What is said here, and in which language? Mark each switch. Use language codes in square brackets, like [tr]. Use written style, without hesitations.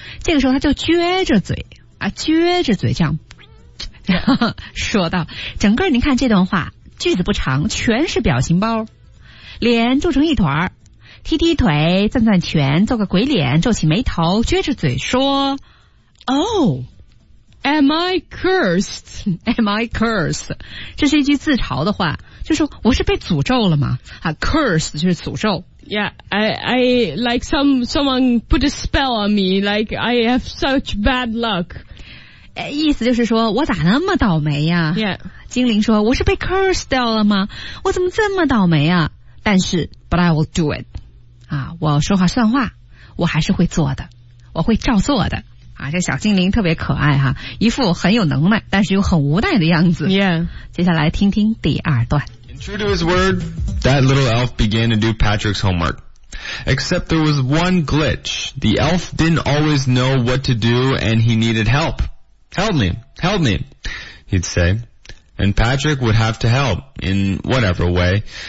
[zh] 这个时候他就撅着嘴啊，撅着嘴这样。说到整个你看这段话句子不长，全是表情包，脸皱成一团，踢踢腿，攥攥拳，做个鬼脸，皱起眉头，撅着嘴说 [en] Am I cursed? [zh] 这是一句自嘲的话，就是我是被诅咒了吗、啊、Cursed 就是诅咒。 [en] Yeah, I like someone put a spell on me, like I have such bad luck. [zh] 意思就是说我咋那么倒霉呀、 [en] 啊、Yeah. [zh] 精灵说我是被 curse 掉了吗，我怎么这么倒霉啊，但是 [en] but I will do it. [zh] 啊，我说话算话，我还是会做的，我会照做的。啊，这小精灵特别可爱哈、啊、一副很有能耐但是又很无奈的样子。 [en] Yeah. [zh] 接下来听听第二段。 [en] In true to his word, that little elf began to do Patrick's homework. Except there was one glitch. The elf didn't always know what to do and he needed help. Help me, he'd say. And Patrick would have to help in whatever way.